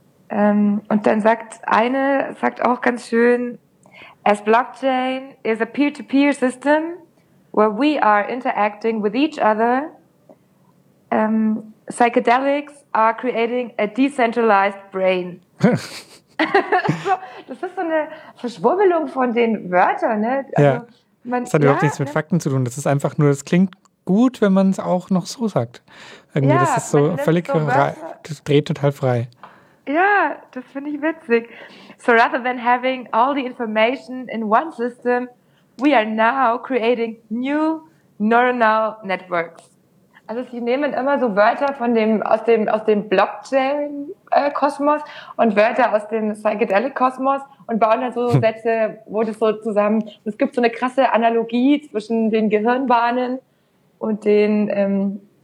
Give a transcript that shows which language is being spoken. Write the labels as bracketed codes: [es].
[de] Und dann sagt auch ganz schön, [en] as Blockchain is a peer-to-peer system where we are interacting with each other, psychedelics are creating a decentralized brain. [de] Das ist so eine Verschwurbelung von den Wörtern, ne? Also ja. Das hat überhaupt nichts mit Fakten zu tun. Das ist einfach nur, das klingt gut, wenn man es auch noch so sagt. Irgendwie, ja, das ist so völlig so frei, das dreht total frei. Ja, das finde ich witzig. [en] So rather than having all the information in one system, we are now creating new neuronal networks. [de] Also sie nehmen immer so Wörter aus dem Blockchain-Kosmos und Wörter aus dem Psychedelic-Kosmos und bauen dann so Sätze, wo das so zusammen. Und es gibt so eine krasse Analogie zwischen den Gehirnbahnen und den